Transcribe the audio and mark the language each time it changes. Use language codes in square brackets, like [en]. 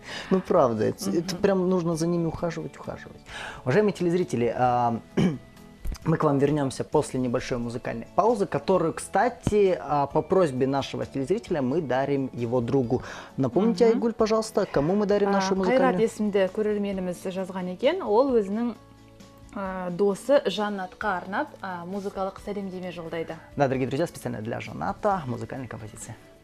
[ru] Ну, правда, это прям нужно за ними ухаживать. Уважаемые телезрители, мы к вам вернемся после небольшой музыкальной паузы, которую, кстати, по просьбе нашего телезрителя мы дарим его другу. Напомните, угу. Айгуль, пожалуйста, кому мы дарим нашу музыкальную? [kk] Кайрат есімді көрерменіміз жазған екен. Ол өзінің досы Жаннатқа арнап музыкалық сәлемдеме жолдайды. [ru] Да, дорогие друзья, специально для Жанната музыкальная композиция.